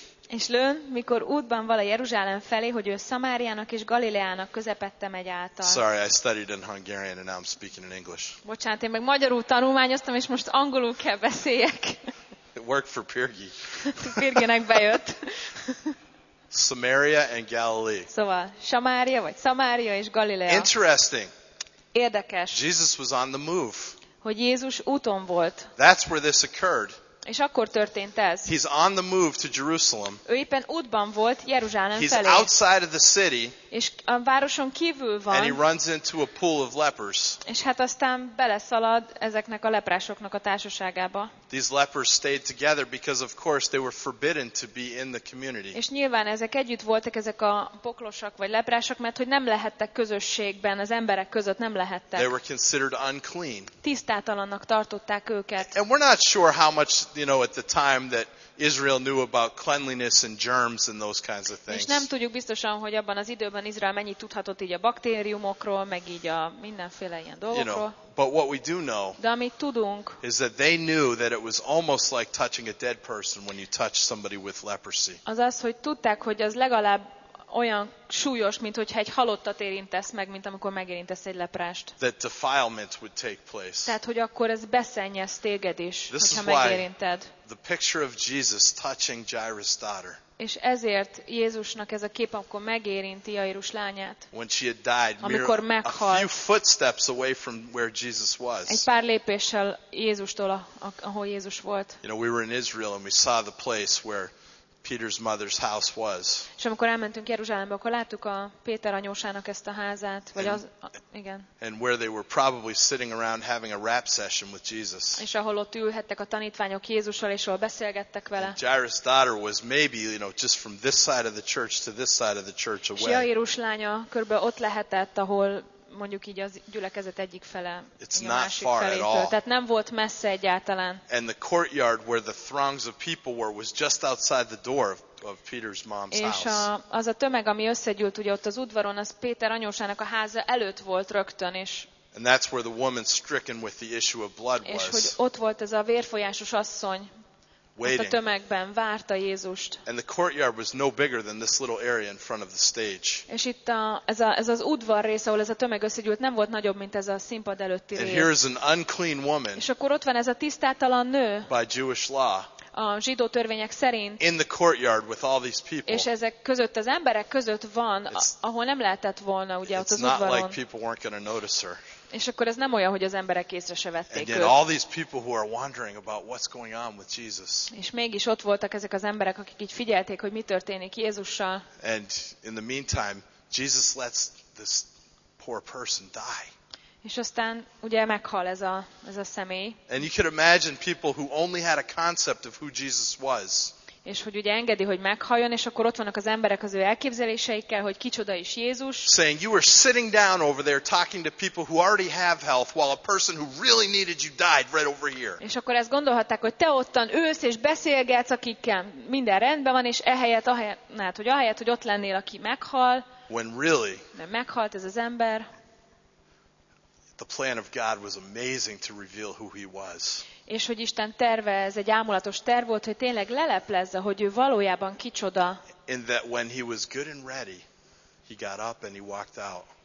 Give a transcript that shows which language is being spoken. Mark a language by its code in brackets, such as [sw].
[hu] És lőn, mikor útban vala Jeruzsálem felé, hogy ő Szamáriának és Galileának közepette megy által. [en] Sorry, I studied in Hungarian and now I'm speaking in English. [hu] Bocsánat, én meg magyarul tanulmányoztam, és most angolul kell beszéljek. [en] It worked for Pirgi. [hu] Pirginek bejött. [en] Samaria and Galilee. [hu] Szóval, Samária vagy Szamária és Galilea. [en] Interesting. [hu] Érdekes. [en] Jesus was on the move. [hu] Hogy Jézus úton volt. [en] That's where this occurred. [hu] És akkor történt ez. [en] He's on the move to Jerusalem. [hu] Ő éppen útban volt Jeruzsálem [en] He's [hu] felé. [en] He's outside of the city. [hu] És a városon kívül van. [en] And he runs into a pool of lepers. [hu] És hát aztán beleszalad ezeknek a leprásoknak a társaságába. [en] These lepers stayed together because of course they were forbidden to be in the community. [hu] És nyilván ezek együtt voltak, ezek a poklosak vagy leprások, mert hogy nem lehettek közösségben, az emberek között nem lehettek. [en] They were considered unclean. [hu] Tisztátalannak tartották őket. [en] And we're not sure how much you know at the time that Israel knew about cleanliness and germs and those kinds of things. [hu] És nem tudjuk biztosan, hogy abban az időben Izrael mennyit tudhatott így a baktériumokról, meg így a mindenféle ilyen dolgokról. [en] You know, but what we do know is that they knew that it was almost like touching a dead person when you touch somebody with leprosy. [hu] Azaz, hogy tudták, hogy az legalább olyan súlyos, mint hogyha egy halottat érintesz meg, mint amikor megérintesz egy leprást. [en] That defilement would take place. [hu] Tehát, hogy akkor ez beszennyez téged is, [en] this [hu] hogyha megérinted. [en] The picture of Jesus touching Jairus' daughter. [hu] És ezért Jézusnak ez a kép, amikor megérinti Jairus lányát. [en] When she had died, [hu] amikor meghalt. [en] A few footsteps away from where Jesus was. [hu] Egy pár lépéssel Jézustól, ahol Jézus volt. [en] You know, we were in Israel and we saw the place where Peter's mother's house was. [hu] És amikor elmentünk Jeruzsálembe, akkor láttuk a Péter anyósának ezt a házát, vagy az, igen. [en] And where they were probably sitting around having a rap session with Jesus. [hu] És ahol ott ülhettek a tanítványok Jézussal, és ahol beszélgettek vele. [en] Jairus' daughter was maybe, you know, just from this side of the church to this side of the church away. [hu] Jairus lánya körülbelül ott lehetett, ahol mondjuk így az gyülekezet egyik fele, [en] it's [hu] a másik felétől. Tehát nem volt messze egyáltalán. [en] And the courtyard where the throngs of people were was just outside the door of Peter's mom's house. [hu] És az a tömeg, ami összegyűlt ugye ott az udvaron, az Péter anyósának a háza előtt volt rögtön, és [en] and that's where the woman stricken with the issue of blood was. [hu] És hogy ott volt ez a vérfolyásos asszony. Ott a tömegben várta Jézust. [en] And the courtyard was no bigger than this little area in front of the stage. [hu] És itt ez az udvar rész, ahol ez a tömeg összegyűlt, nem volt nagyobb, mint ez a színpad előtti rész. [en] And here is an unclean woman. [hu] És akkor ott van ez a tisztátalan nő. [en] By Jewish law. [hu] A zsidó törvények szerint. [en] In the courtyard with all these people. [hu] És ezek között az emberek között van, ahol nem lehetett volna, ugye ott az udvaron. [en] It's not like people weren't going to notice her. [hu] És akkor ez nem olyan, hogy az emberek észre se vették őt. [en] All these people who are wondering about what's going on with Jesus. [hu] És mégis ott voltak ezek az emberek, akik így figyelték, hogy mi történik Jézussal. [en] And in the meantime, Jesus lets this poor person die. [hu] És aztán ugye meghal ez a személy. [en] And you could imagine people who only had a concept of who Jesus was. [hu] És hogy ugye engedi, hogy meghaljon, és akkor ott vannak az emberek az ő elképzeléseikkel, hogy kicsoda is Jézus. [en] Saying you were sitting down over there talking to people who already have health while a person who really needed you died right over here. [hu] És akkor ezt gondolhatták, hogy te ottan ülsz és beszélgetsz, akikkel minden rendben van, és ahelyett, hogy ott lennél, aki meghal. [en] When really, [hu] mert meghalt ez az ember. [en] The plan of God was amazing to reveal who he was. [hu] És hogy Isten terve, ez egy ámulatos terv volt, hogy tényleg leleplezze, hogy ő valójában kicsoda. [en] In that when he was good and ready, he got up and he walked out.